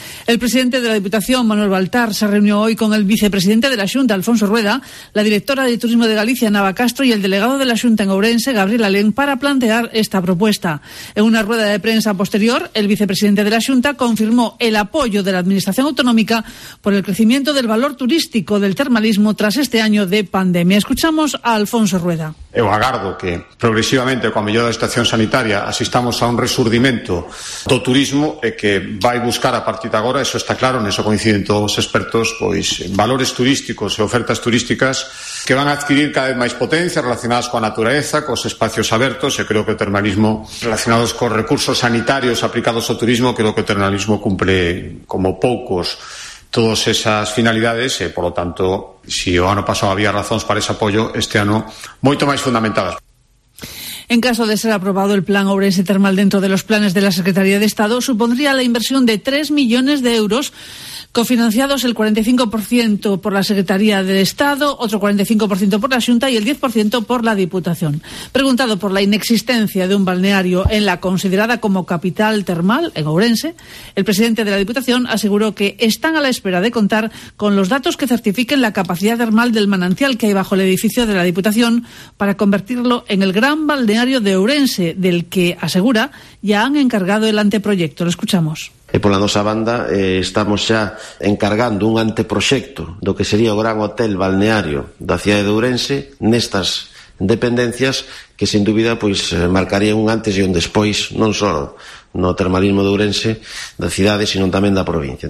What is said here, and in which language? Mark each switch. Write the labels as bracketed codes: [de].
[es] El presidente de la Diputación, Manuel Baltar, se reunió hoy con el vicepresidente de la Xunta, Alfonso Rueda, la directora de Turismo de Galicia, Nava Castro, y el delegado de la Xunta en Ourense, Gabriel Alén, para plantear esta propuesta. En una rueda de prensa posterior, el vicepresidente de la Xunta confirmó el apoyo de la Administración Autonómica por el crecimiento del valor turístico del termalismo tras este año de pandemia. Escuchamos a Alfonso Rueda. [gl] Eu agardo que progresivamente, coa mellora da situación sanitaria, asistamos a un resurdimento do turismo e que vai buscar a partir de agora, eso está claro, neso coinciden todos os expertos, pois valores turísticos e ofertas turísticas que van a adquirir cada vez máis potencia relacionadas coa natureza, cos espacios abertos, e creo que o termalismo relacionados cos recursos sanitarios aplicados ao turismo, creo que o termalismo cumple como poucos todas esas finalidades e, polo tanto, si o ano pasado había razóns para ese apoio, este ano moito máis fundamentadas. [es] En caso de ser aprobado el plan Ourense Termal dentro de los planes de la Secretaría de Estado, supondría la inversión de 3 millones de euros, cofinanciados el 45% por la Secretaría de Estado, otro 45% por la Xunta y el 10% por la Diputación. Preguntado por la inexistencia de un balneario en la considerada como capital termal en Ourense, el presidente de la Diputación aseguró que están a la espera de contar con los datos que certifiquen la capacidad termal del manantial que hay bajo el edificio de la Diputación para convertirlo en el gran balneario de Ourense, del que, asegura, ya han encargado el anteproyecto. Lo escuchamos. [gl] E pola nosa banda estamos xa encargando un anteproxecto do que sería o gran hotel balneario da cidade de Ourense nestas dependencias que, sin dúbida, pois, marcaría un antes e un despois non só no termalismo de Ourense da cidade, sino tamén da provincia.